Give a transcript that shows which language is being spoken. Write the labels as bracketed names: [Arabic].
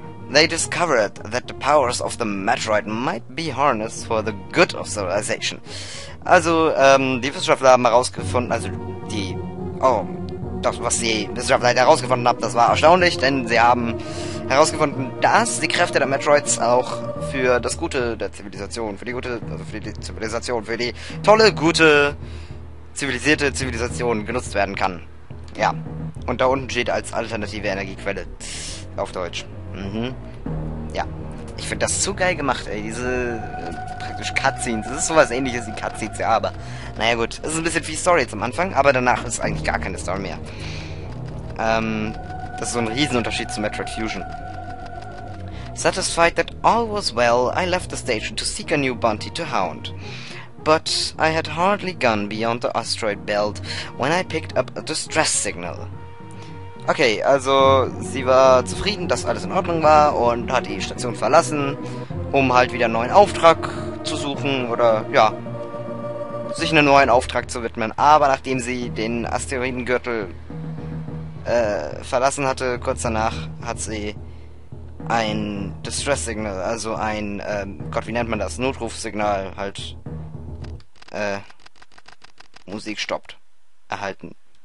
[English] They discovered that the powers of the Metroid might be harnessed for the good of civilization. [German] Also, die Wissenschaftler haben herausgefunden, das war erstaunlich, denn sie haben herausgefunden, dass die Kräfte der Metroids auch für das Gute der Zivilisation, für die tolle, gute, zivilisierte Zivilisation genutzt werden kann. Ja. Und da unten steht als alternative Energiequelle. Auf Deutsch. Mhm. Ja. Ich finde das zu geil gemacht, ey. Diese praktisch Cutscenes. Das ist sowas ähnliches wie Cutscenes, ja, aber. Naja gut. Es ist ein bisschen viel Story zum Anfang, aber danach ist eigentlich gar keine Story mehr. Das ist so ein Riesenunterschied zu Metroid Fusion. [English] Satisfied that all was well, I left the station to seek a new bounty to hound. But I had hardly gone beyond the asteroid belt when I picked up a distress signal. [German] Okay, also sie war zufrieden, dass alles in Ordnung war und hat die Station verlassen, um halt wieder einen neuen Auftrag zu suchen oder, ja, sich einen neuen Auftrag zu widmen. Aber nachdem sie den Asteroidengürtel verlassen hatte, kurz danach hat sie ein Distress Signal, also ein, wie nennt man das, Notrufsignal halt, Musik stoppt, erhalten.